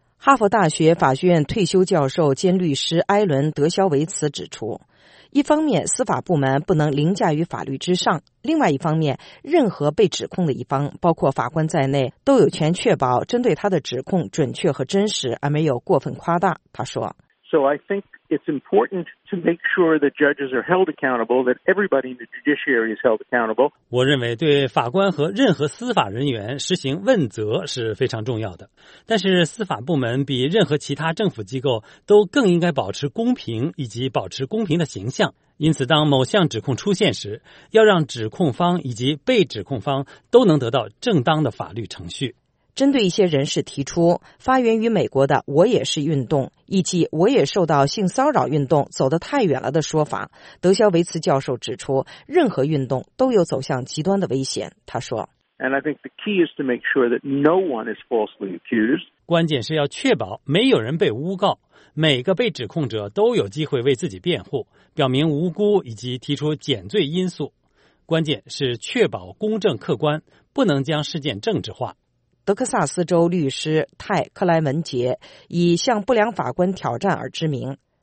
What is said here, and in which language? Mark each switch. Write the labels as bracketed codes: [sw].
[zh] 哈佛大学法学院退休教授兼律师埃伦·德肖维茨指出，一方面司法部门不能凌驾于法律之上，另外一方面任何被指控的一方包括法官在内都有权确保针对他的指控准确和真实而没有过分夸大。他说， [en] So I think it's important to make sure that judges are held accountable, that everybody in the judiciary is held accountable. [zh] 我认为对法官和任何司法人员实行问责是非常重要的。但是司法部门比任何其他政府机构都更应该保持公平以及保持公平的形象。因此当某项指控出现时，要让指控方以及被指控方都能得到正当的法律程序。针对一些人士提出发源于美国的“我也是运动”以及“我也受到性骚扰运动走得太远了”的说法，德肖维茨教授指出，任何运动都有走向极端的危险。他说 [en] ：“And I think the key is to make sure that no one is falsely accused. [zh] 关键是要确保没有人被诬告，每个被指控者都有机会为自己辩护，表明无辜以及提出减罪因素。关键是确保公正客观，不能将事件政治化。” 德克萨斯州律师泰·克莱门杰以向不良法官挑战而知名。